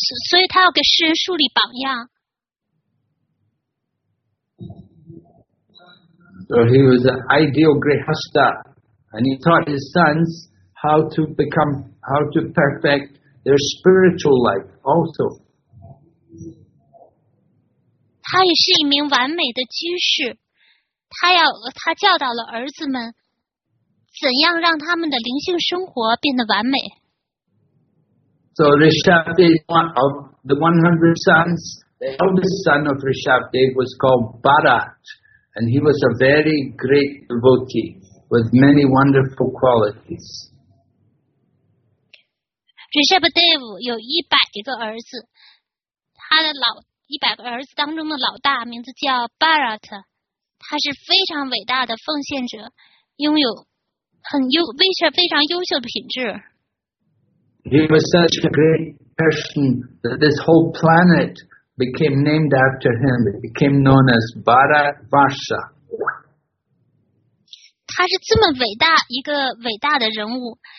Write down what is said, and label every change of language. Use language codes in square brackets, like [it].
[zh] 所以他要给世人树立榜样。 [en] So he was an ideal grihastha, and he taught his sons how to perfect. Their spiritual life also. [zh] 他也是一名完美的居士，他教导了儿子们怎样让他们的灵性生活变得完美。 [en] So Rishabhdev, one of the 100 sons, the eldest son of Rishabhdev was called Bharat, and he was a very great devotee with many wonderful qualities. [zh] Rishabhdev 有一百个儿子，他的老一百个儿子当中的老大名字叫 Bharat， 他是非常伟大的奉献者，拥有非常优秀的品质。 [en] He was such a great person that this whole planet became named after him. It became known as Bharatvarsha. [zh] 他是这么伟大一个伟大的人物。